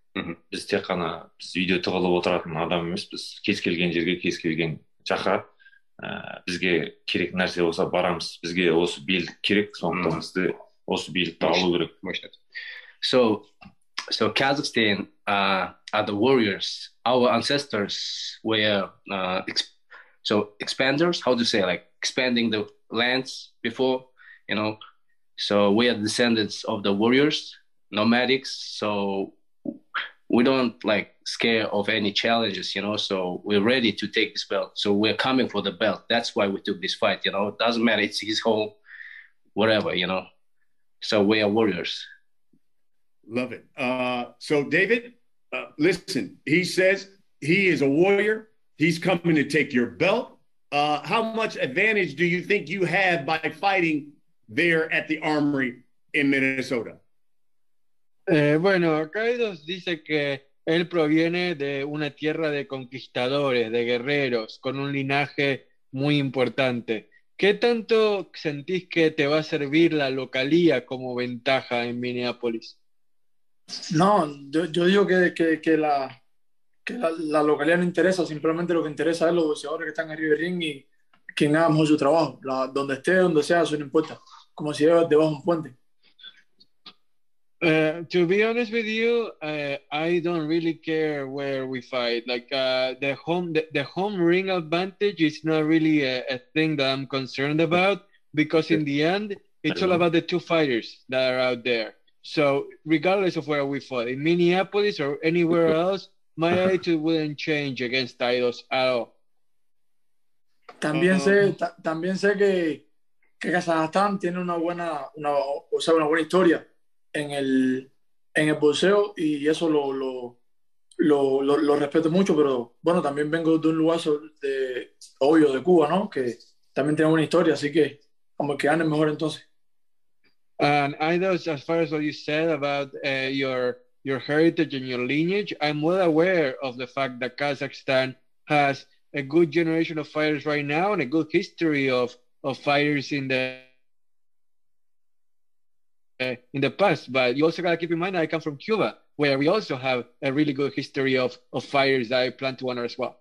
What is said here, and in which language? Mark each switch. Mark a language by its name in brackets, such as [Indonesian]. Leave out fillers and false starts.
[Kazakh] Біз тек қана біз видео тығылып отыратын адам емес, біз кез келген жерге, кез келген жаққа бізге керек нәрсе болса барамыз. Бізге осы билік керек, сондықтан бізді осы билікті алу керек. [English] So Kazakhstan are the warriors. Our ancestors were expanders, how to say, like expanding the lands before, you know. So we are descendants of the warriors, nomadics. So we don't like scare of any challenges, you know. So we're ready to take this belt. So we're coming for the belt. That's why we took this fight, you know. It doesn't matter. It's his home, whatever, you know. So we are warriors. Love it. So David, listen, he says he is a warrior. He's coming to take your belt. How much advantage do you think you have by fighting there at the Armory in Minnesota? [Spanish] Bueno, acá ellos dice que él proviene de una tierra de conquistadores, de guerreros, con un linaje muy importante. ¿Qué tanto sentís que te va a servir la localía como ventaja en Minneapolis? No, yo digo que la localía no interesa, simplemente lo que interesa es los boxeadores que están arriba del ring y quien haga mejor su trabajo. Donde esté, donde sea, eso no importa. Como si llevas debajo un puente. [English] To be honest with you, I don't really care where we fight. Like the home ring advantage is not really a thing that I'm concerned about, because in the end, it's all about the two fighters that are out there. So regardless of where we fight, in Minneapolis or anywhere else, my attitude wouldn't change against Tidos at all. [Spanish] También sé que Kazajstán tiene una buena historia en el boxeo, y eso lo respeto mucho, pero bueno, también vengo de un lugar de obvio de Cuba, ¿no? Que también tiene una historia, así que como que gane mejor entonces. [English] And I know, as far as what you said about your heritage and your lineage, I'm well aware of the fact that Kazakhstan has a good generation of fighters right now and a good history of fighters in the past, but you also got to keep in mind that I come from Cuba, where we also have a really good history of fighters that I plan to honor as well.